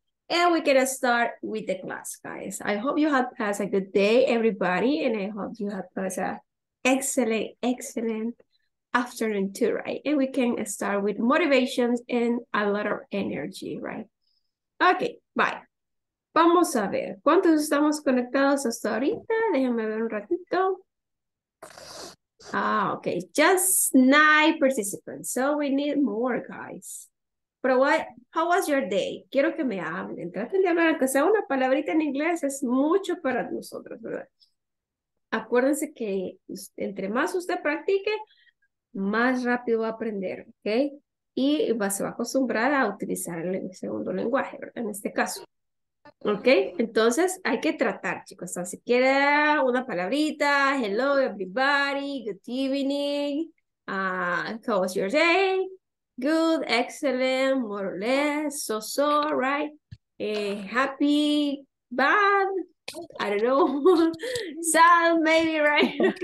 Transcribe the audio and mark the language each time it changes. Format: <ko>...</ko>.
<en>And we can start with the class, guys. I hope you have passed a good day, everybody, and I hope you have passed a excellent, excellent afternoon too, right? And we can start with motivations and a lot of energy, right? Okay, bye.</en> <es>Vamos a ver, ¿cuántos estamos conectados hasta ahorita? Déjenme ver un ratito.</es> <en>Ah, okay, just 9 participants, so we need more guys.</en> <es>Pero</es> <en>what, how was your day?</en> <es>Quiero que me hablen, traten de hablar, aunque sea una palabrita en inglés, es mucho para nosotros, ¿verdad? Acuérdense que entre más usted practique, más rápido va a aprender, ¿ok? Y se va a acostumbrar a utilizar el segundo lenguaje, ¿verdad? En este caso. Ok, entonces hay que tratar, chicos. Así si quiere una palabrita,</es> <en>hello everybody, good evening, how was your day? Good, excellent, more or less, so-so, right? Happy, bad, I don't know, sad, maybe, right?</en>